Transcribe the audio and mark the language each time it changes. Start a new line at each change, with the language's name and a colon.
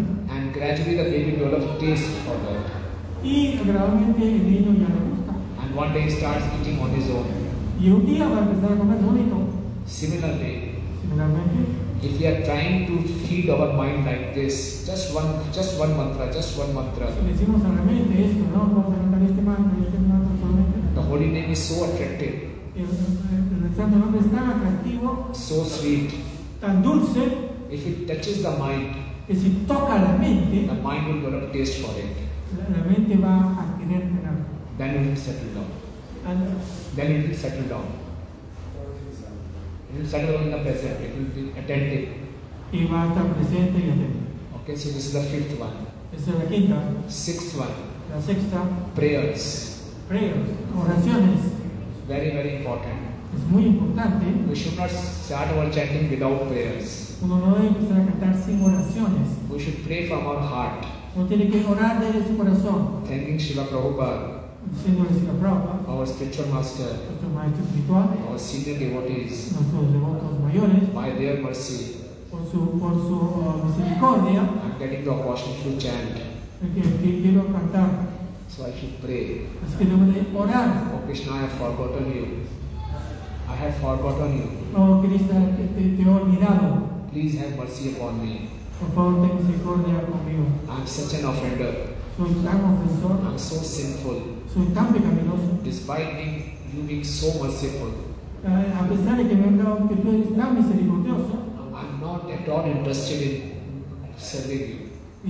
English: and gradually the baby develops taste for that.
Spanish: Y gradualmente el niño ya le gusta.
English: And one day he starts eating on his own.
Spanish: Y un día va a empezar a comer solito. Similarmente.
English: If we are trying to feed our mind like this, just one mantra.
Spanish: Si decimos a la mente esto, no, vamos a cantar este mantra solamente.
English: The holy name is so attractive.
Spanish: El santo nombre es tan atractivo.
English: So sweet.
Spanish: tan dulce,
English: if it touches the mind, if it
Spanish: toca la mente,
English: the mind will want to taste for it.
Spanish: La mente va a querer ganar.
English: Then it will settle down. And then it will settle down. It will settle down in the present. It will be attentive.
Spanish: Y va a estar presente y atento.
English: Okay, so this is the fifth one.
Spanish: Esa es la quinta.
English: Sixth one.
Spanish: La sexta.
English: Prayers. Prayers.
Spanish: Oraciones.
English: Very, very important.
Spanish: Es muy importante.
English: We should not start our chanting without prayers.
Spanish: Uno no debe empezar a cantar sin oraciones.
English: We should pray from our heart.
Spanish: Uno tiene que orar desde su corazón.
English: Thanking Srila
Spanish: Prabhupada. Diciéndole Srila Prabhupada.
English: Our spiritual master.
Spanish: Nuestro maestro espiritual.
English: Our senior devotees.
Spanish: Nuestros devotos mayores.
English: By their mercy.
Spanish: Por su misericordia.
English: I'm getting the opportunity to chant.
Spanish: Que quiero cantar.
English: So I should pray.
Spanish: Es que debo de orar.
English: Oh Krishna, I have forgotten you. I have forgotten you.
Spanish: Oh Krishna, te he olvidado.
English: Please have mercy upon me.
Spanish: Por favor, ten misericordia conmigo.
English: I'm such an offender.
Spanish: Soy tan ofensor.
English: I'm so sinful.
Spanish: Soy tan pecaminoso.
English: Despite you being so merciful.
Spanish: A pesar de que me han dado que tú eres tan misericordioso.
English: I'm not at all interested in serving you.